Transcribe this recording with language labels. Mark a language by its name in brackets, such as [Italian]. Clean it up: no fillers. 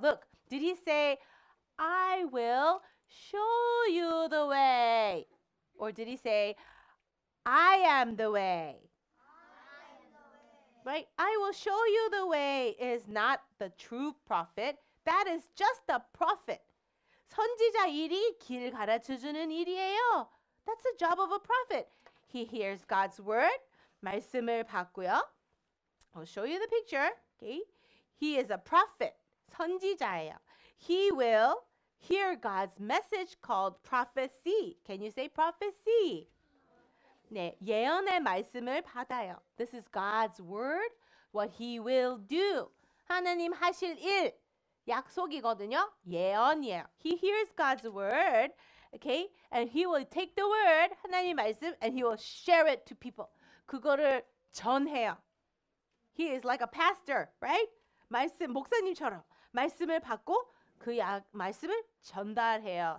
[English] Look, did he say, I will show you the way? Or did he say, I am the way? Right? I will show you the way is not the true prophet. That is just a prophet. [Korean] 선지자 일이 길 가르쳐주는 일이에요. [English] That's the job of a prophet. He hears God's word, [Korean] 말씀을 받고요. [English] I'll show you the picture. Okay? He is a prophet, [Korean] 선지자예요. [English] He will hear God's message called prophecy. Can you say prophecy? [Korean] 네, 예언의 말씀을 받아요. [English] This is God's word, what he will do. [Korean] 하나님 하실 일. 약속이거든요. 예언이에요. [English] He hears God's word, okay? And he will take the word, [Korean] 하나님 말씀, [English] and he will share it to people. [Korean] 그거를 전해요. [English] He is like a pastor, right? [Korean] 말씀 목사님처럼 말씀을 받고 그 말씀을 전달해요.